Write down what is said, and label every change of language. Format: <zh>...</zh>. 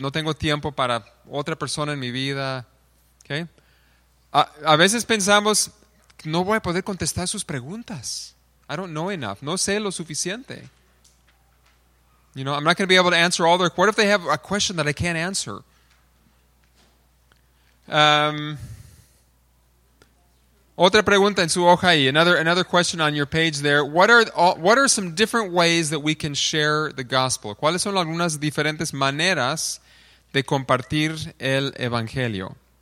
<es>No tengo tiempo para otra persona en mi vida. Okay? A veces pensamos, no voy a poder contestar sus preguntas.</es> <en>I don't know enough.</en> <es>No sé lo suficiente.</es> <en>You know, I'm not going to be able to answer all their... What if they have a question that I can't answer?</en> <es>Otra pregunta en su hoja ahí.</es> <en>Another question on your page there. What are some different ways that we can share the gospel?</en> <es>¿Cuáles son algunas diferentes maneras de compartir el evangelio?</es>